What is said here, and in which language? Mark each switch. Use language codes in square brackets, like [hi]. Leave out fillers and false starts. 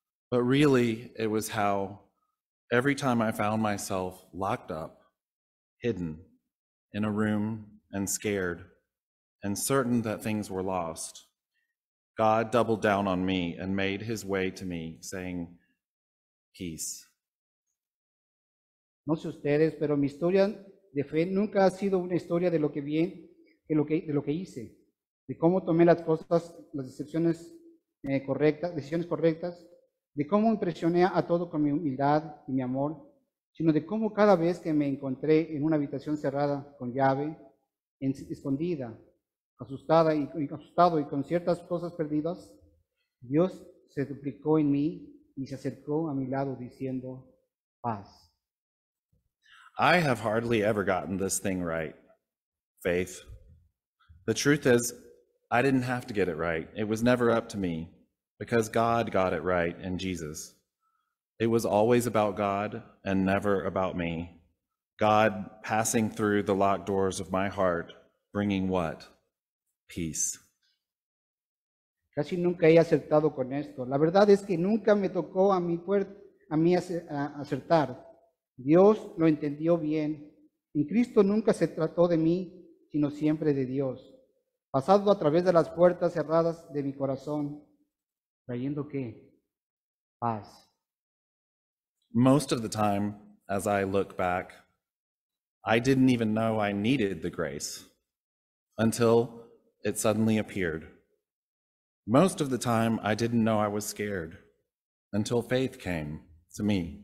[en] But really, it was how every time I found myself locked up, hidden in a room and scared and certain that things were lost, God doubled down on me and made his way to me, saying, peace. [es] No sé ustedes, pero mi historia de fe nunca ha sido una historia de lo que bien, de lo que hice, de cómo tomé las cosas, las decisiones correctas, de cómo impresioné a todo con mi humildad y mi amor, sino de cómo cada vez que me encontré en una habitación cerrada con llave, escondida, asustado y con ciertas cosas perdidas, Dios se duplicó en mí y se acercó a mi lado diciendo, paz. [en] I have hardly ever gotten this thing right, faith. The truth is, I didn't have to get it right. It was never up to me, because God got it right in Jesus. It was always about God and never about me. God passing through the locked doors of my heart, bringing what? Peace. [es] Casi nunca he acertado con esto. La verdad es que nunca me tocó a mí acertar. Dios lo entendió bien. En Cristo nunca se trató de mí, sino siempre de Dios. Pasado a través de las puertas cerradas de mi corazón, trayendo ¿qué? Paz. [en] Most of the time, as I look back, I didn't even know I needed the grace until it suddenly appeared. Most of the time, I didn't know I was scared until faith came to me.